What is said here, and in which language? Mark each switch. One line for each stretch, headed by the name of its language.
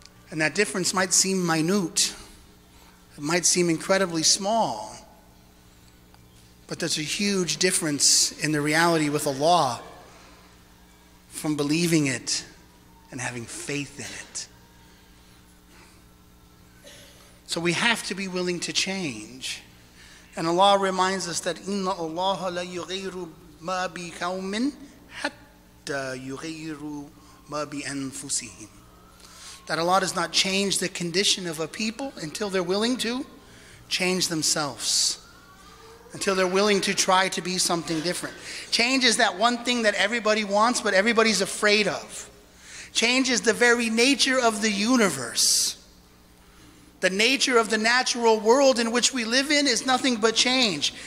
English: And that difference might seem minute. It might seem incredibly small. But there's a huge difference in the reality with Allah from believing it and having faith in it. So we have to be willing to change. And Allah reminds us that
Arabic: إِنَّ اللَّهَ لَيُغَيْرُ مَا بِكَوْمٍ حَتَّى يُغَيْرُ مَا بِأَنفُسِهِمْ.
English: That Allah does not change the condition of a people until they're willing to change themselves. Until they're willing to try to be something different. Change is that one thing that everybody wants, but everybody's afraid of. Change is the very nature of the universe. The nature of the natural world in which we live in is nothing but change.